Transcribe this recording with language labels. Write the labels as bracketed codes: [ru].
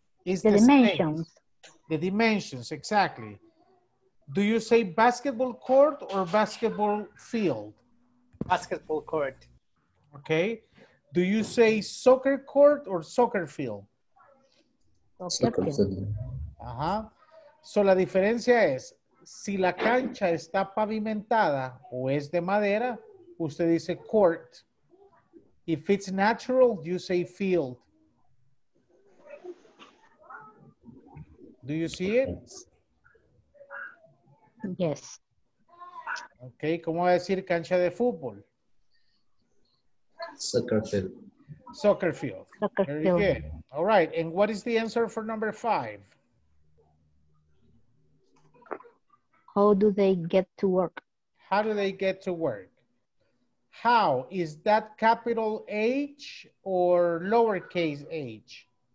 [en] Is the dimensions. Space. The dimensions, exactly. Do you say basketball court or basketball field? Basketball court. Okay. Do you say soccer court or soccer field? Soccer field. Ajá. [es] So la diferencia es, si la cancha está pavimentada o es de madera, usted dice court. [en] If it's natural, you say field. Do you see it? Yes. [es] Okay, ¿cómo va a decir cancha de fútbol? [en] Soccer field. Soccer field. Soccer field. Very good. All right, and what is the answer for number five? How do they get to work? How do they get to work? How, is that capital H or lowercase h?